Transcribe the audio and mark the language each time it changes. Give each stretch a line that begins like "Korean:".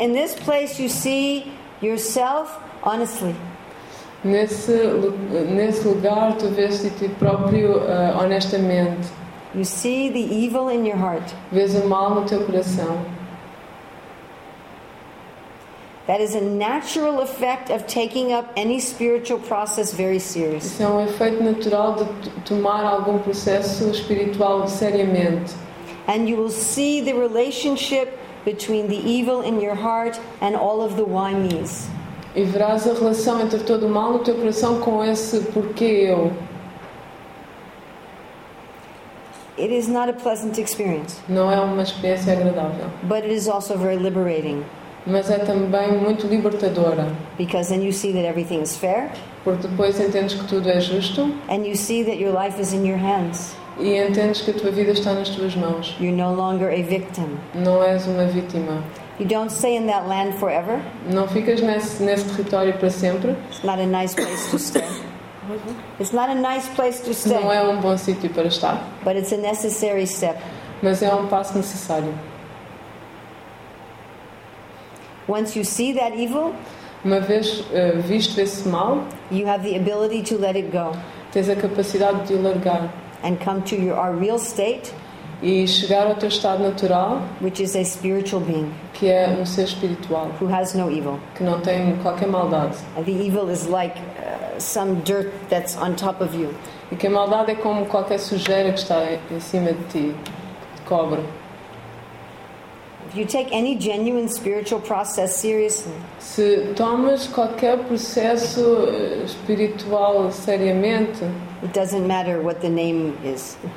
English: In this place you see yourself honestly.
Portuguese: Nesse lugar tu vês de ti próprio honestamente.
English: You see the evil in your heart.
Portuguese: Vês o mal no teu coração.
English: That is a natural effect of taking up any spiritual process very seriously.
Portuguese: Isso é um efeito natural de tomar algum processo espiritual seriamente.
English: And you will see the relationship between the evil in your heart and all of the why me's.
Portuguese: E verás a relação entre todo o mal no teu coração com esse porquê eu.
English: It is not a pleasant experience.
Portuguese: Não é uma experiência agradável.
English: But it is also very liberating.
Portuguese: Mas é também muito libertadora.
English: Because then you see that everything is fair.
Portuguese: Porque depois entendes que tudo é justo.
English: And you see that your life is in your hands.
Portuguese: E entendes que a tua vida está nas tuas mãos.
English: You're no longer a victim.
Portuguese: Não és uma vítima.
English: You don't stay in that land forever.
Portuguese: Não ficas nesse território para sempre.
English: It's not a nice place to stay. It's not a nice place to stay.
Portuguese: Não é um bom sítio para estar.
English: But it's a necessary step.
Portuguese: Mas é um passo necessário.
English: Once you see that evil,
Portuguese: uma vez visto esse mal,
English: you have the ability to let it go.
Portuguese: Tens a capacidade de o largar.
English: And come to our real state,
Portuguese: e chegar ao teu estado natural,
English: which is a spiritual being,
Portuguese: que é ser espiritual,
English: who has no evil,
Portuguese: que não tem qualquer maldade.
English: And the evil is like some dirt that's on top of you.
Portuguese: E que a maldade é como qualquer sujeira que está em cima de ti, que te cobre.
English: If you take any genuine spiritual process seriously,
Portuguese: se tomas qualquer processo espiritual seriamente,
English: it doesn't matter what the name is.